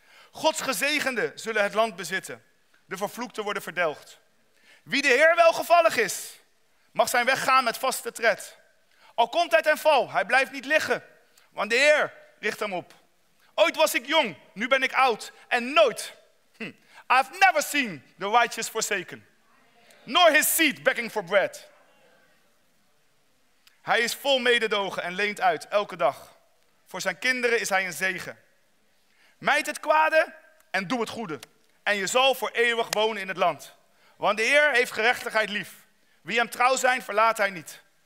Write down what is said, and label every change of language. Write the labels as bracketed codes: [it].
[nl] Gods gezegende zullen het land bezitten, de vervloekten worden verdelgd. Wie de Heer welgevallig is, mag zijn weg gaan met vaste tred. Al komt hij ten val, hij blijft niet liggen, want de Heer richt hem op. Ooit was ik jong, nu ben ik oud en nooit. [en] I've never seen the righteous forsaken. Nor his seed begging for bread. [nl] Hij is vol mededogen en leent uit elke dag. Voor zijn kinderen is hij een zegen. Mijd het kwade en doe het goede. En je zal voor eeuwig wonen in het land. Want de Heer heeft gerechtigheid lief. Wie hem trouw zijn, verlaat hij niet.